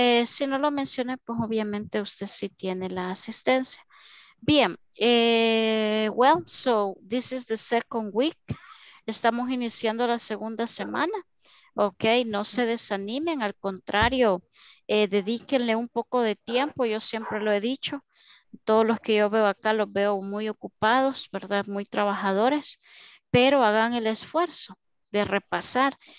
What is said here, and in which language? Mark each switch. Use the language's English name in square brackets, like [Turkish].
[Spanish] Si no lo mencioné, pues obviamente usted sí tiene la asistencia. Bien, [English] well, so this is the second week. [Spanish] Estamos iniciando la segunda semana. Ok, no se desanimen, al contrario, dedíquenle un poco de tiempo. Yo siempre lo he dicho, todos los que yo veo acá los veo muy ocupados, ¿verdad? Muy trabajadores, pero hagan el esfuerzo de repasar.